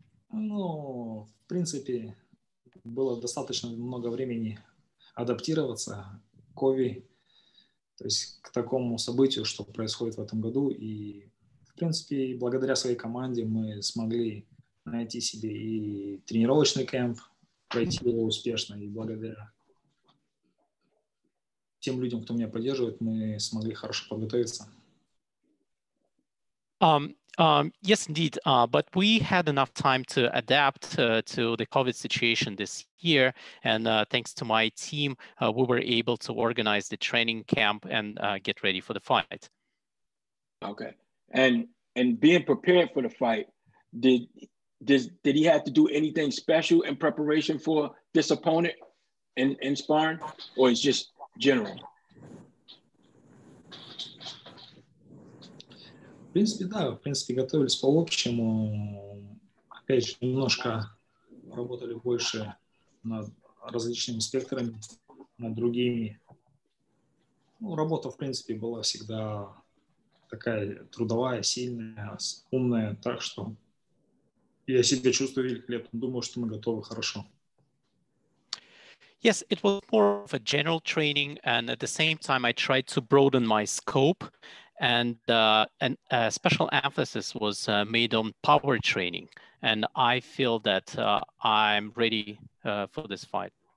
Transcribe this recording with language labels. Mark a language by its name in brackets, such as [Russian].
[Russian] Ну, в принципе, было достаточно много времени адаптироваться к COVID, то есть к такому событию, что происходит в этом году, и в принципе, благодаря своей команде мы смогли найти себе и тренировочный кемп, пройти его успешно. И благодаря тем людям, кто меня поддерживает, мы смогли хорошо подготовиться. [English] Yes, indeed. But we had enough time to adapt to the COVID situation this year. And thanks to my team, we were able to organize the training camp and get ready for the fight. Okay. And being prepared for the fight, did he have to do anything special in preparation for this opponent in sparring, or is just general? [Russian] В принципе, да, в принципе, готовились по-общему. Опять же, немножко работали больше над различными спектрами, над другими. Ну, работа, в принципе, была всегда такая трудовая, сильная, умная. Так что я себя чувствую великолепно. Думаю, что мы готовы хорошо. [English] Yes, it was more of a general training, and at the same time I tried to broaden my scope. And a special emphasis was made on power training, and I feel that I'm ready for this fight.